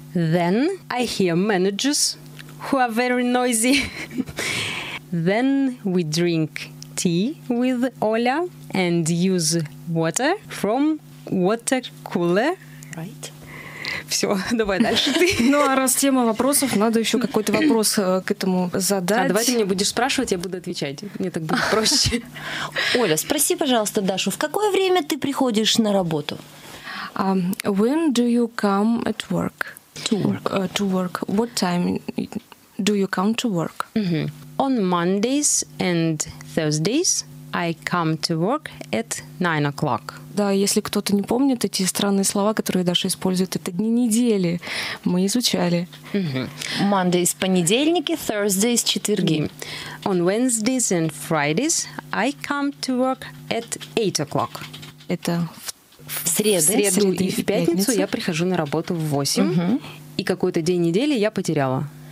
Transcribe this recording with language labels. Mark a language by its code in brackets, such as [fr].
[en] Then I hear managers who are very noisy. Then we drink tea with Оля and use water from water cooler. Right. [ru] Все, давай дальше ты. Ну, а раз тема вопросов, надо еще какой-то вопрос к этому задать. А давай ты мне будешь спрашивать, я буду отвечать. Мне так будет проще. Оля, спроси, пожалуйста, Дашу, в какое время ты приходишь на работу? [en] When do you come at work? To work. To work. What time do you come to work? On Mondays and Thursdays I come to work at 9 o'clock. [ru] Да, если кто-то не помнит эти странные слова, которые Даша использует, это дни недели. Мы изучали. Mondays – понедельники, Thursdays – четверги. [en] On Wednesdays and Fridays I come to work at 8 o'clock. [ru] Это в среду, среду и в пятницу я прихожу на работу в 8. И какой-то день недели я потеряла.